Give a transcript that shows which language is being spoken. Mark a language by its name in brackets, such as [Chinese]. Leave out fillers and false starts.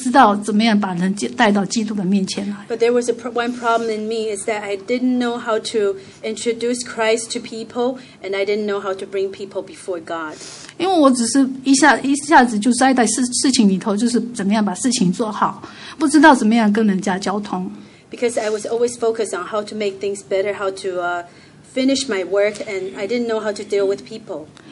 [Chinese] 但是我有一个问题，就是说我不知道怎么样把基督介绍给别人，也不知道怎么样把人带到基督的面前来。 [English] But there was one problem in me is that I didn't know how to introduce Christ to people, and I didn't know how to bring people before God. [Chinese] 因为我只是一下子就栽在事情里头，就是怎么样把事情做好，不知道怎么样跟人家交通。 [English] Because I was always focused on how to make things better, how to finish my work, and I didn't know how to deal with people.